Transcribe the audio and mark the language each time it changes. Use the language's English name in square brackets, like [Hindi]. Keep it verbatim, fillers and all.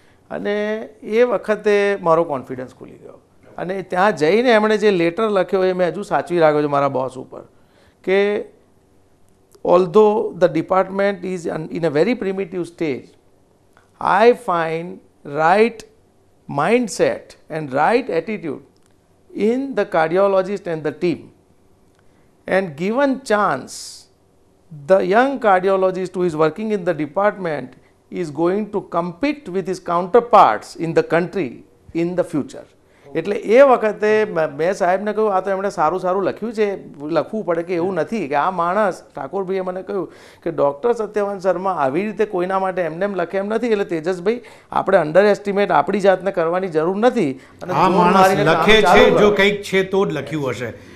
[Gujarati] અને એ વખતે મારો કોન્ફિડન્સ ખુલી ગયો. અને ત્યાં જઈને એમણે જે લેટર લખ્યો એ મેં હજુ સાચવી રાખ્યો છે મારા બોસ ઉપર, કે [English] Although the department is in a very primitive stage, I find right mindset and right attitude in the cardiologist and the team, and given chance The young cardiologist who is working in the department is going to compete with his counterparts in the country in the future. [Gujarati] એટલે એ વખતે મેં સાહેબને કહ્યું આ તો એમણે સારું સારું લખ્યું છે, લખવું પડે કે એવું નથી કે આ માણસ ઠાકોરભાઈએ મને કહ્યું કે ડૉક્ટર સત્યવાન શર્મા આવી રીતે કોઈના માટે એમને એમ લખે એમ નથી. એટલે તેજસભાઈ આપણે અંડર એસ્ટિમેટ આપણી જાતને કરવાની જરૂર નથી. આ માણસ લખે છે જો કંઈક છે તો જ લખ્યું હશે.